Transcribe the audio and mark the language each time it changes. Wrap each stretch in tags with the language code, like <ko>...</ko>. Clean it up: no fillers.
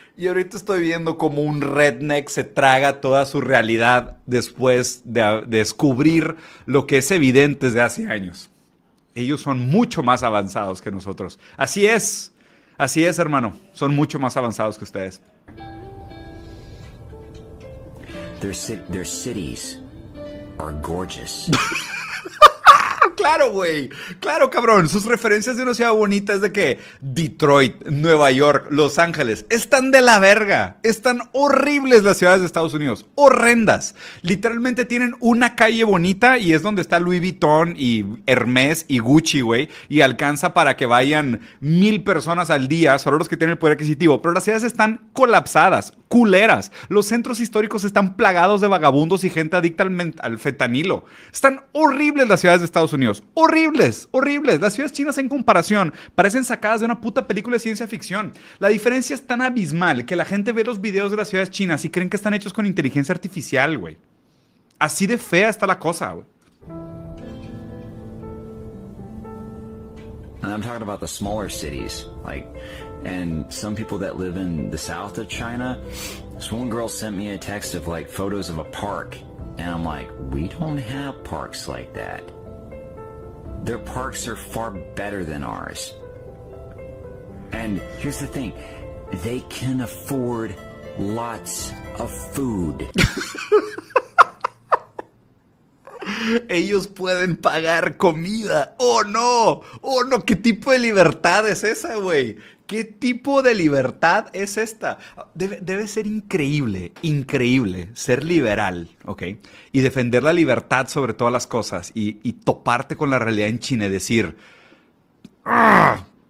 <es>Y ahorita estoy viendo cómo un redneck se traga toda su realidad después de descubrir lo que es evidente desde hace años. Ellos son mucho más avanzados que nosotros. Así es, hermano. Son mucho más avanzados que ustedes.</es> <en>Their cities are gorgeous.</en> <es>Claro, güey. Claro, cabrón. Sus referencias de una ciudad bonita es de que Detroit, Nueva York, Los Ángeles están de la verga. Están horribles las ciudades de Estados Unidos. Horrendas. Literalmente tienen una calle bonita y es donde está Louis Vuitton y Hermès y Gucci, güey. Y alcanza para que vayan 1,000 personas al día, solo los que tienen el poder adquisitivo. Pero las ciudades están colapsadas, culeras. Los centros históricos están plagados de vagabundos y gente adicta al fentanilo. Están horribles las ciudades de Estados Unidos. Horribles, horribles. Las ciudades chinas en comparación parecen sacadas de una puta película de ciencia ficción. La diferencia es tan abismal que la gente ve los videos de las ciudades chinas y creen que están hechos con inteligencia artificial, güey. Así de fea está la cosa, güey.</es> <en>And I'm talking about the smaller cities, like, and some people that live in the south of China. This one girl sent me a text of like photos of a park, and I'm like, we don't have parks like that. Their parks are far better than ours. And here's the thing, they can afford lots of food.</en> <es>Ellos pueden pagar comida. ¡Oh, no! ¡Oh, no! ¿Qué tipo de libertad es esa, güey? ¿Qué tipo de libertad es esta? Debe ser increíble, increíble ser liberal, ¿ok? Y defender la libertad sobre todas las cosas y toparte con la realidad en China y decir, ¡ah!</es>